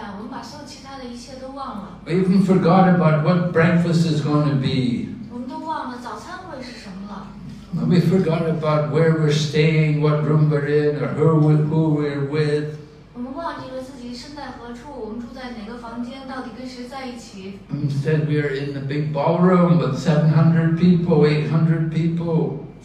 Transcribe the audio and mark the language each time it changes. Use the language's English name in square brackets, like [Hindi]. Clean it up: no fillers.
[Chinese] 把所有其他的一切都忘了。 [English] We even forgot about what breakfast is going to be. [Chinese] 我们都忘了早餐会是什么了。 [English] We forgot about where we're staying, what room we're in, or who we're with. [Chinese] 我们忘记了自己身在何处，我们住在哪个房间，到底跟谁在一起。 [English] Instead, we are in the big ballroom with 700 people, 800 people.